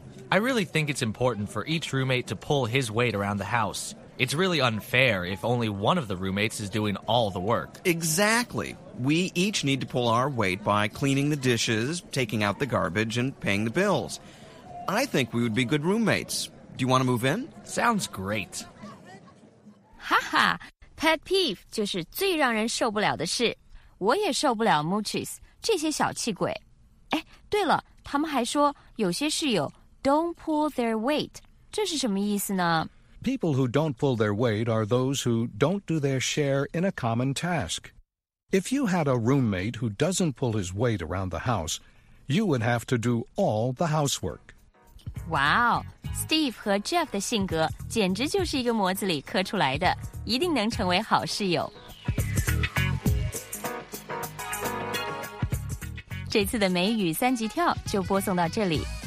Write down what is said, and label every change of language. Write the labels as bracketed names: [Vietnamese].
[English] I really think it's important for each roommate to pull his weight around the house. It's really unfair if only one of the roommates is doing all the work. Exactly. We each need to pull our weight by cleaning the dishes, taking out the garbage, and paying the bills. I think we would be good roommates. Do you want to move in? Sounds great. Ha ha! Pet peeve [Chinese] 就是最让人受不了的事。我也受不了 mooches, 这些小气鬼。哎，对了，他们还说有些室友 [English] don't pull their weight, [Chinese] 这是什么意思呢? [English] People who don't pull their weight are those who don't do their share in a common task. If you had a roommate who doesn't pull his weight around the house, you would have to do all the housework. Wow! [Chinese] Steve 和 Jeff 的性格简直就是一个模子里刻出来的，一定能成为好室友。这次的美语三级跳就播送到这里，